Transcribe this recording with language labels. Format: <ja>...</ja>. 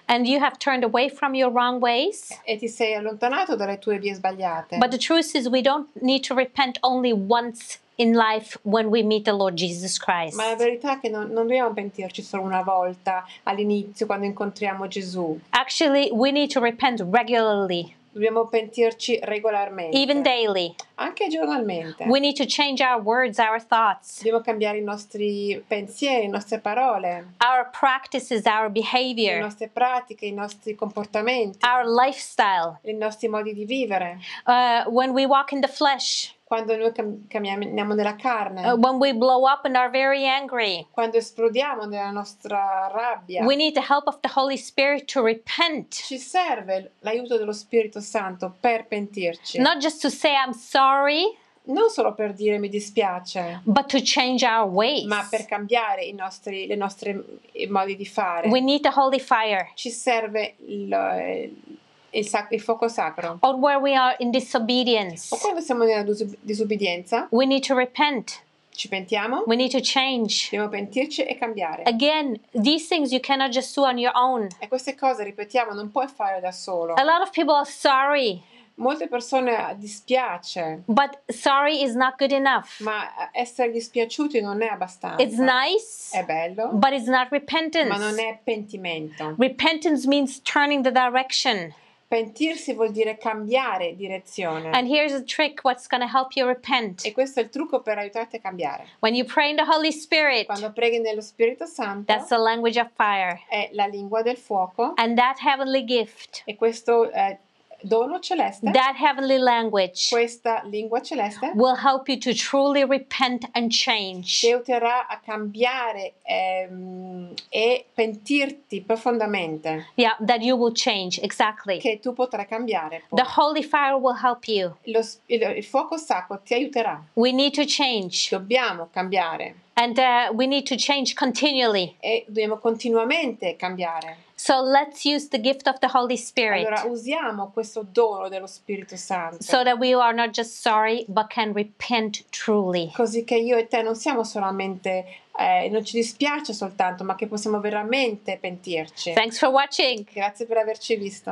<en>And you have turned away from your wrong ways.</en> <it>E ti sei allontanato dalle tue vie sbagliate.</it> <en>But the truth is, we don't need to repent only once in life when we meet the Lord Jesus Christ.</en> <it>Ma la verità è che non dobbiamo pentirci solo una volta all'inizio quando incontriamo Gesù.</it> <en>Actually, we need to repent regularly.</en> <it>Dobbiamo pentirci regolarmente.</it> <en>Even daily.</en> <it>Anche giornalmente.</it> <en>We need to change our words, our thoughts.</en> <it>Dobbiamo cambiare i nostri pensieri, le nostre parole.</it> <en>Our practices, our behavior.</en> <it>Le nostre pratiche, i nostri comportamenti.</it> <en>Our lifestyle.</en> <it>I nostri modi di vivere.</it> <en>When we walk in the flesh.</en> <it>Quando noi camminiamo nella carne.</it> <en>When we blow up and are very angry.</en> <it>Quando esplodiamo nella nostra rabbia.</it> <en>We need the help of the Holy Spirit to repent.</en> <it>Ci serve l'aiuto dello Spirito Santo per pentirci.</it> <en>Not just to say I'm sorry.</en> <it>Non solo per dire mi dispiace.</it> <en>But to change our ways.</en> <it>Ma per cambiare le nostre modi di fare.</it> <en>We need the holy fire.</en> <it>Ci serve il fuoco sacro.</it> <en>Or where we are in disobedience.</en> <it>O quando siamo nella disobbedienza.</it> <en>We need to repent.</en> <it>Ci pentiamo.</it> <en>We need to change.</en> <it>Dobbiamo pentirci e cambiare.</it> <en>Again, these things you cannot just do on your own.</en> <it>E queste cose, ripetiamo, non puoi fare da solo.</it> <en>A lot of people are sorry.</en> <it>Molte persone dispiace.</it> <en>But sorry is not good enough.</en> <it>Ma essere dispiaciuti non è abbastanza.</it> <en>It's nice.</en> <it>È bello.</it> <en>But it's not repentance.</en> <it>Ma non è pentimento.</it> <en>Repentance means turning the direction.</en> <it>Pentirsi vuol dire cambiare direzione.</it> <en>And here's a trick what's going to help you repent.</en> <it>E questo è il trucco per aiutarti a cambiare.</it> <en>When you pray in the Holy Spirit.</en> <it>Quando preghi nello Spirito Santo.</it> <en>That's the language of fire.</en> <it>È la lingua del fuoco.</it> <en>And that heavenly gift.</en> <it>E questo dono celeste.</it> <en>That heavenly language.</en> <it>Questa lingua celeste.</it> <en>Will help you to truly repent and change.</en> <it>Ti aiuterà a cambiare e pentirti profondamente.</it> <en>Yeah, that you will change, exactly.</en> <it>Che tu potrai cambiare.</it> <en>The holy fire will help you.</en> <it>Il fuoco sacro ti aiuterà.</it> <en>We need to change.</en> <it>Dobbiamo cambiare.</it> <en>And we need to change continually.</en> <it>E dobbiamo continuamente cambiare.</it> <en>So let's use the gift of the Holy Spirit.</en> <it>Allora usiamo questo dono dello Spirito Santo.</it> <en>So that we are not just sorry, but can repent truly.</en> <it>Così che io e te non siamo solamente, non ci dispiace soltanto, ma che possiamo veramente pentirci.</it> <en>Thanks for watching.</en> <it>Grazie per averci visto.</it>